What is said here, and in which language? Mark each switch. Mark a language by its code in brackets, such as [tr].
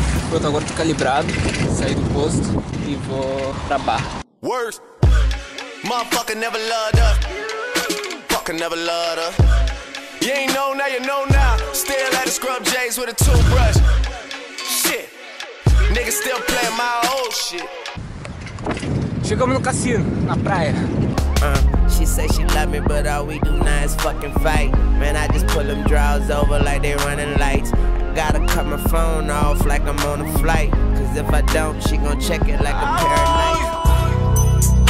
[pt] Pronto, agora tô calibrado, saí do posto e vou pra Barra. [en] Worst. Motherfucker never loved us. Can never love her. You ain't know now, you know now. Still at the scrub J's with a toothbrush. Shit. Niggas still playing my old shit. [pt] Chegamos no cassino, na praia. [en] She say she love me, but all we do now is fucking fight. Man, I just pull them drawers over like they running lights. Gotta cut my phone off like I'm on a flight. Cause if I don't, she gon' check it like a paranoid.